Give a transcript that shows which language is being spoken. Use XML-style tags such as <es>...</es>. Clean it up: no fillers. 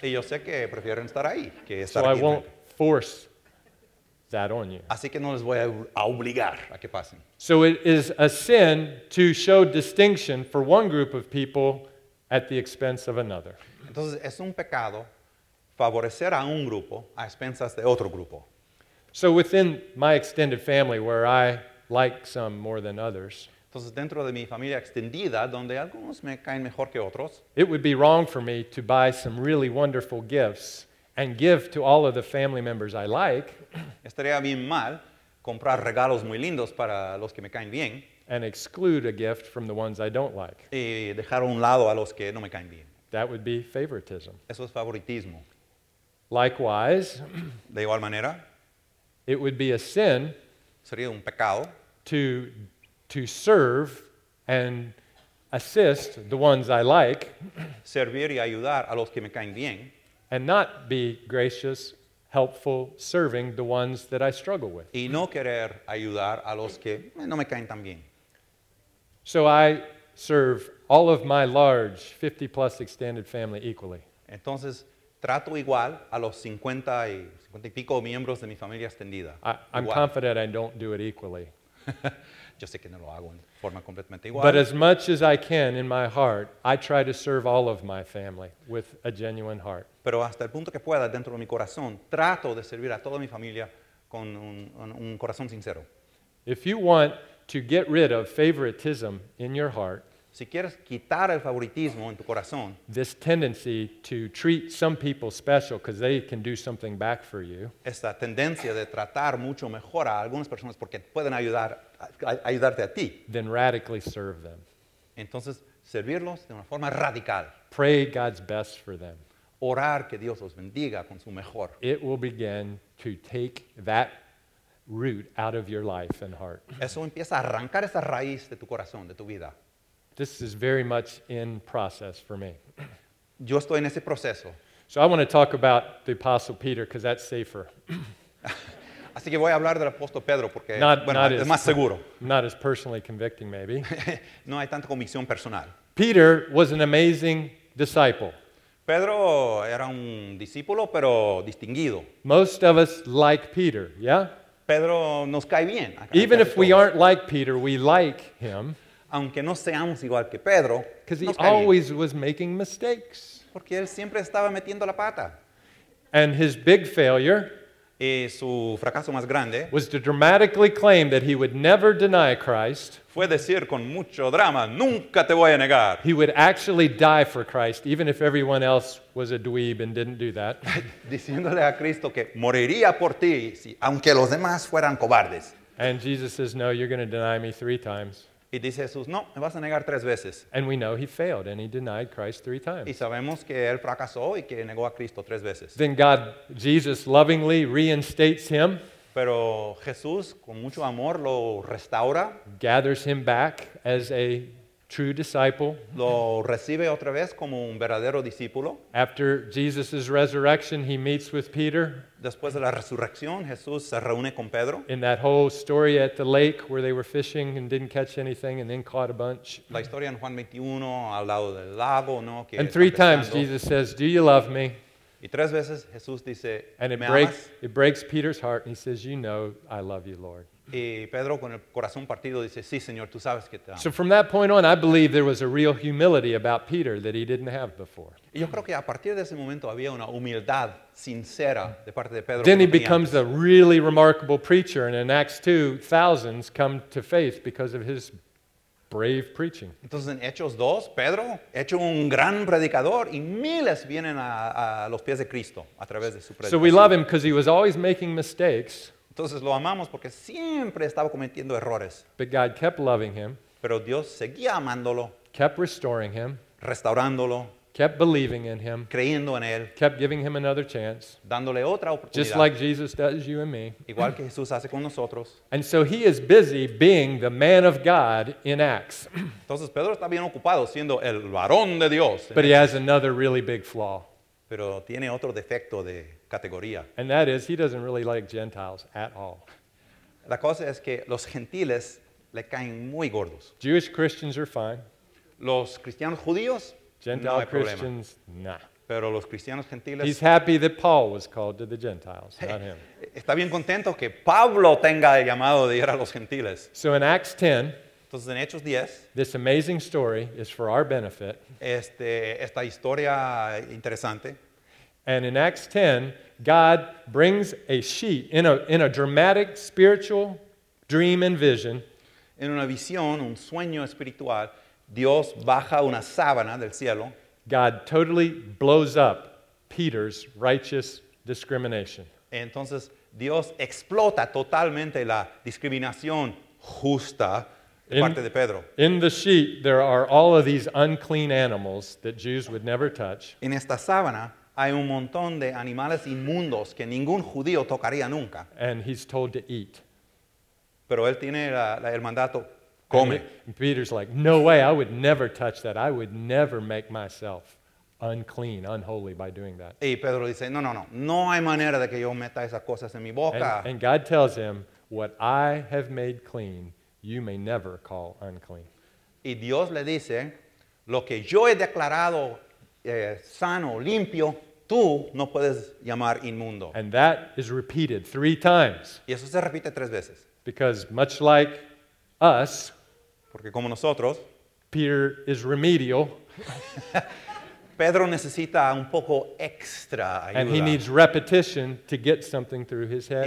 <es>Y yo sé que prefieren estar ahí que estar</es> <en>so</en> <es>aquí.</es> <en>So I won't force that on you.</en> <es>Así que no les voy a obligar a que pasen.</es> <en>So it is a sin to show distinction for one group of people at the expense of another.</en> <es>Entonces es un pecado favorecer a un grupo a expensas de otro grupo.</es> <en>So within my extended family, where I like some more than others,</en> <es>entonces dentro de mi familia extendida, donde algunos me caen mejor que otros,</es> <en>it would be wrong for me to buy some really wonderful gifts and give to all of the family members I like.</en> <es>Estaría bien mal comprar regalos muy lindos para los que me caen bien.</es> <en>And exclude a gift from the ones I don't like.</en> <es>Y dejar a un lado a los que no me caen bien.</es> <en>That would be favoritism.</en> <es>Eso es favoritismo.</es> <en>Likewise,</en> <es>de igual manera,</es> <en>it would be a sin,</en> <es>sería un pecado,</es> <en>to serve and assist the ones I like.</en> <es>Servir y ayudar a los que me caen bien.</es> <en>And not be gracious, helpful, serving the ones that I struggle with.</en> <es>Y no querer ayudar a los que no me caen tan bien.</es> <en>So I serve all of my large 50-plus extended family equally.</en> <es>Entonces, trato igual a los 50 y pico miembros de mi familia extendida.</es> <en>I'm confident I don't do it equally.</en> <es>Yo sé que no lo hago en forma completamente igual.</es> <en>But as much as I can in my heart, I try to serve all of my family with a genuine heart.</en> <es>Pero hasta el punto que pueda, dentro de mi corazón, trato de servir a toda mi familia con un corazón sincero.</es> <en>If you want to get rid of favoritism in your heart,</en> <es>Si quieres quitar el favoritismo en tu corazón,</es> <en>this tendency to treat some people special because they can do something back for you,</en> <es>esta tendencia de tratar mucho mejor a algunas personas porque pueden ayudarte a ti,</es> <en>then radically serve them.</en> <es>Entonces, servirlos de una forma radical.</es> <en>Pray God's best for them.</en> <es>Orar que Dios los bendiga con su mejor.</es> <en>It will begin to take that root out of your life and heart.</en> <es>Eso empieza a arrancar esa raíz de tu corazón, de tu vida.</es> <en>This is very much in process for me.</en> <es>Yo estoy en ese proceso.</es> <en>So I want to talk about the Apostle Peter because that's safer.</en> <es>Así que voy a hablar del Apóstol Pedro porque es más seguro.</es> <en>Not as personally convicting, maybe.</en> <es>No hay tanta convicción personal.</es> <en>Peter was an amazing disciple.</en> <es>Pedro era un discípulo, pero distinguido.</es> <en>Most of us like Peter, yeah?</en> <es>Pedro nos cae bien.</es> <en>Even if we aren't like Peter, we like him.</en> <es>Aunque no seamos igual que Pedro,</es> <en>because he always was making mistakes.</en> <es>Porque él siempre estaba metiendo la pata.</es> <en>And his big failure,</en> <es>y su fracaso más grande,</es> <en>was to dramatically claim that he would never deny Christ.</en> <es>Fue decir con mucho drama, nunca te voy a negar.</es> <en>He would actually die for Christ, even if everyone else was a dweeb and didn't do that.</en> <es>Diciéndole a Cristo que moriría por ti, aunque los demás fueran cobardes.</es> <en>And Jesus says, no, you're going to deny me 3 times.</en> <es>Y dice Jesús, no, me vas a negar 3 veces.</es> <en>And we know he failed and he denied Christ 3 times.</en> <es>Y sabemos que él fracasó y que negó a Cristo 3 veces.</es> <en>Then God, Jesus lovingly reinstates him.</en> <es>Pero Jesús con mucho amor lo restaura.</es> <en>Gathers him back as a true disciple.</en> <es>Lo recibe otra vez como un verdadero discípulo.</es> <en>After Jesus' resurrection, he meets with Peter.</en> <es>Después de la resurrección, Jesús se reúne con Pedro.</es> <en>In that whole story at the lake where they were fishing and didn't catch anything and then caught a bunch.</en> <es>La historia en Juan 21, al lado del lago, ¿no? Que</es> <en>and 3 times Jesus says, do you love me?</en> <es>Y 3 veces Jesús dice,</es> <en>and it breaks Peter's heart and he says, you know I love you, Lord.</en> <es>Y Pedro con el corazón partido dice, sí, Señor, tú sabes que te amo.</es> <en>So from that point on, I believe there was a real humility about Peter that he didn't have before.</en> <es>Y yo creo que a partir de ese momento había una humildad sincera de parte de Pedro.</es> <en>Then he becomes a really remarkable preacher, and in Acts 2, thousands come to faith because of his brave preaching.</en> <es>Entonces en Hechos 2, Pedro, hecho un gran predicador, y miles vienen a los pies de Cristo a través de su predicación.</es> <en>So we love him because he was always making mistakes.</en> <es>Entonces lo amamos porque siempre estaba cometiendo errores.</es> <en>But God kept loving him.</en> <es>Pero Dios seguía amándolo.</es> <en>Kept restoring him.</en> <es>Restaurándolo.</es> <en>Kept believing in him.</en> <es>Creyendo en él.</es> <en>Kept giving him another chance.</en> <es>Dándole otra oportunidad.</es> <en>Just like Jesus does you and me.</en> <es>Igual que Jesús hace con nosotros.</es> <en>And so he is busy being the man of God in Acts.</en> <es>Entonces Pedro está bien ocupado siendo el varón de Dios.</es> <en>But he has another really big flaw.</en> <es>Pero tiene otro defecto de categoría.</es> <en>And that is, he doesn't really like Gentiles at all.</en> <es>La cosa es que los gentiles le caen muy gordos.</es> <en>Jewish Christians are fine.</en> <es>Los cristianos judíos,</es> <en>Gentile</en> <es>no hay</es> <en>Christians,</en> <es>problema.</es> <en>Nah.</en> <es>Pero los cristianos gentiles.</es> <en>He's happy that Paul was called to the Gentiles, not him.</en> <es>Está bien contento que Pablo tenga el llamado de ir a los gentiles.</es> <en>So in Acts 10.</en> <es>Entonces, en Hechos 10,</es> <en>this amazing story is for our benefit.</en> <es>Esta historia interesante.</es> <en>And in Acts 10, God brings a sheet in a dramatic spiritual dream and vision.</en> <es>En una visión, un sueño espiritual, Dios baja una sábana del cielo.</es> <en>God totally blows up Peter's righteous discrimination.</en> <es>Entonces, Dios explota totalmente la discriminación justa.</es> <en>In the sheet, there are all of these unclean animals that Jews would never touch.</en> <es>En esta sábana hay un montón de animales inmundos que ningún judío tocaría nunca.</es> <en>And he's told to eat.</en> <es>Pero él tiene el mandato, come.</es> <en>And Peter's like, no way, I would never touch that. I would never make myself unclean, unholy by doing that.</en> <es>Y Pedro dice, no hay manera de que yo meta esas cosas en mi boca.</es> <en>And God tells him, what I have made clean, you may never call unclean.</en> <es>Y Dios le dice, lo que yo he declarado sano, limpio, tú no puedes llamar inmundo.</es> <en>And that is repeated 3 times.</en> <es>Y eso se repite 3 veces.</es> <en>Because much like us,</en> <es>porque como nosotros,</es> <en>Peter is remedial.</en> <es>Pedro necesita un poco extra ayuda.</es> <en>And he needs repetition to get something through his head</en>